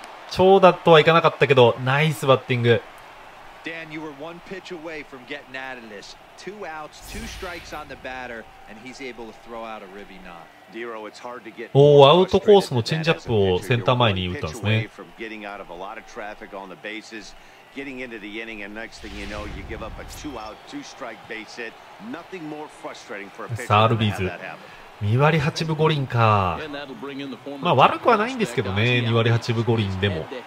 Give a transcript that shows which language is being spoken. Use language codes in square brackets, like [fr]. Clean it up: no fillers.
[ja] 長打とはいかなかったけどナイスバッティング。 [en] Dan, you were one pitch away from getting out of this. Two outs, two strikes on the batter, and he's able to throw out a ribby knot. Dero, it's hard to get. [ja] Oh, アウトコースのチェンジアップをセンター前に打ったんですね。 [en] One pitch away from getting out of a lot of traffic on the bases, getting into the inning, and next thing you know, you give up a two-out, two-strike base hit. Nothing more frustrating for a pitcher to have that happen. [ja] 2割8分5厘か。まあ悪くはないんですけどね、2割8分5厘でも。